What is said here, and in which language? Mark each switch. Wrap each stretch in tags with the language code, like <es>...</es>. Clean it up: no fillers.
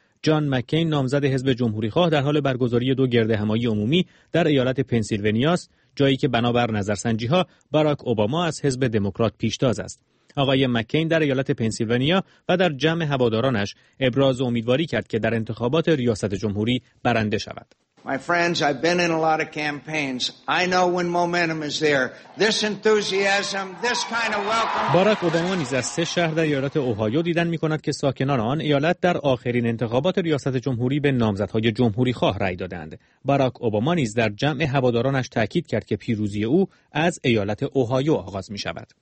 <fa>جان مکین نامزد حزب جمهوری خواه در حال برگزاری 2 گردهمایی عمومی در ایالت پنسیلوانیا است، جایی که بنابر نظرسنجی ها باراک اوباما از حزب دموکرات پیشتاز است. آقای مکین در ایالت پنسیلوانیا و در جمع هوادارانش ابراز امیدواری کرد که در انتخابات ریاست جمهوری برنده شود.</fa> <en>My friends, I've been in a lot of campaigns. I know when momentum is there. This enthusiasm, this kind of welcome.</en> <fa>باراک اوباما نیز از 3 شهر در ایالت اوهایو دیدن می‌کند که ساکنان آن ایالت در آخرین انتخابات ریاست جمهوری به نامزدهای جمهوری خواه رأی دادند. باراک اوباما نیز در جمع هوادارانش تأکید کرد که پیروزی او از ایالت اوهایو آغاز می‌شود.</fa>